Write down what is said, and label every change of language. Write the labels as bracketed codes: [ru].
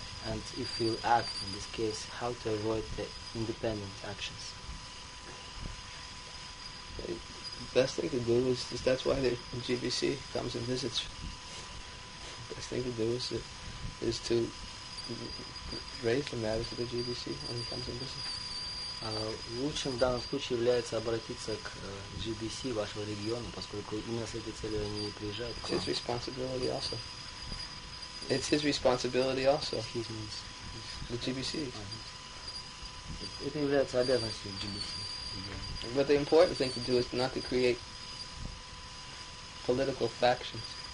[en] And if we act in this case, how to avoid the independent actions? The best thing to do is that's why the GBC comes and visits. Best thing to do is to raise the matters to the GBC when he comes and visits. [ru] Лучшим в данном случае является обратиться к GBC вашего региона, поскольку именно с этой целью они и приезжают. [en] It's his responsibility also. It's his responsibility also. Excuse me. The GBC. [ru] Это является обязанностью GBC. [en] But the important thing to do is not to create political factions.